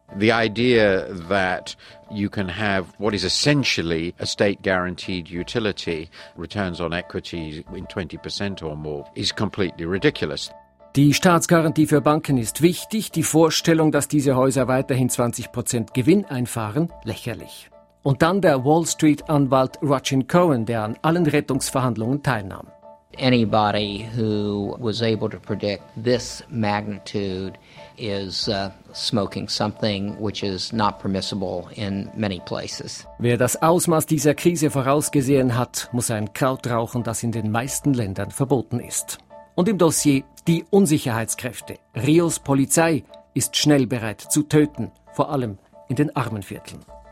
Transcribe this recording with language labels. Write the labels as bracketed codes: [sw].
[en] The idea that you can have what is essentially a state-guaranteed utility, returns on equity in 20% or more, is completely ridiculous. [de] Die Staatsgarantie für Banken ist wichtig, die Vorstellung, dass diese Häuser weiterhin 20% Gewinn einfahren, lächerlich. Und dann der Wall Street-Anwalt Rachin Cohen, der an allen Rettungsverhandlungen teilnahm. [en] Anybody who was able to predict this magnitude is smoking something which is not permissible in many places. [de] Wer das Ausmaß dieser Krise vorausgesehen hat, muss ein Kraut rauchen, das in den meisten Ländern verboten ist. Und im Dossier die Unsicherheitskräfte. Rios Polizei ist schnell bereit zu töten, vor allem in den armen Vierteln.